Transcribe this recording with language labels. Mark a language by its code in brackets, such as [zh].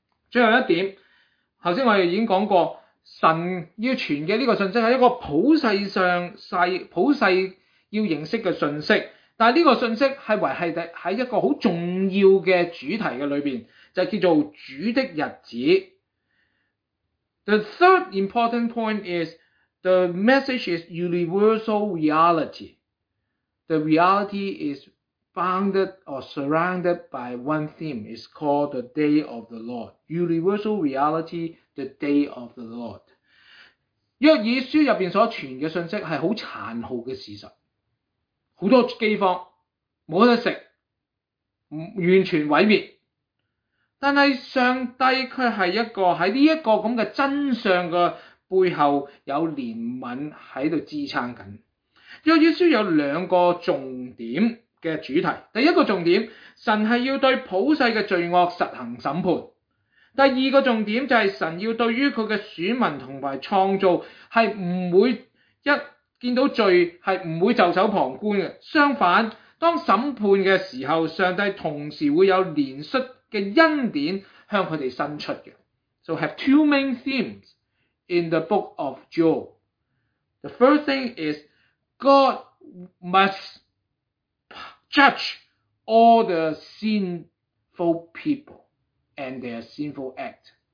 [zh] 最后一点，刚才我们已经讲过，神要传的这个信息是一个普世上普世要认识的信息，但这个信息是维系在一个很重要的主题的里面，就叫做主的日子。 [en] The third important point is the message is universal reality. The reality is bounded or surrounded by one theme is called the day of the Lord. Universal reality, the day of the Lord. [zh] 约珥书入面所传的信息是很残酷的事实。很多饥荒，没得食，完全毁灭。但是上帝却是一个在这个这样的真相的背后有怜悯在支撑着。约珥书有两个重点的主题，第一个重点，神是要对普世的罪恶实行审判；第二个重点，就是神要对于他的选民同埋创造是不会一见到罪是不会袖手旁观的。相反，当审判的时候，上帝同时会有怜恤的恩典向他们伸出的。 [en] So have two main themes in the book of Job. The first thing is God must judge all the sinful people and their sinful act.